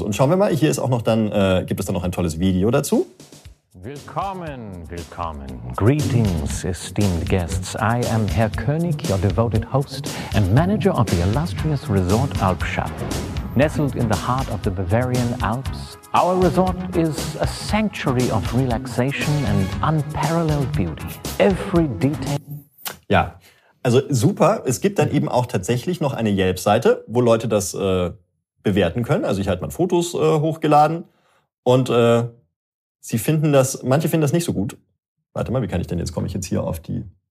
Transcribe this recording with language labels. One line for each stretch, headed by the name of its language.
German: Und schauen wir mal, hier ist auch noch gibt es dann noch ein tolles Video dazu.
English: Willkommen. Greetings, esteemed guests. I am Herr König, your devoted host and manager of the illustrious resort Alpschatten. Nestled in the heart of the Bavarian Alps, our resort is a sanctuary of relaxation and unparalleled beauty. Every detail.
German: Ja, also super. Es gibt dann eben auch tatsächlich noch eine Yelp-Seite, wo Leute das bewerten können. Also ich habe mal Fotos hochgeladen und sie finden das, manche finden das nicht so gut. Warte mal, komme ich jetzt hier auf die...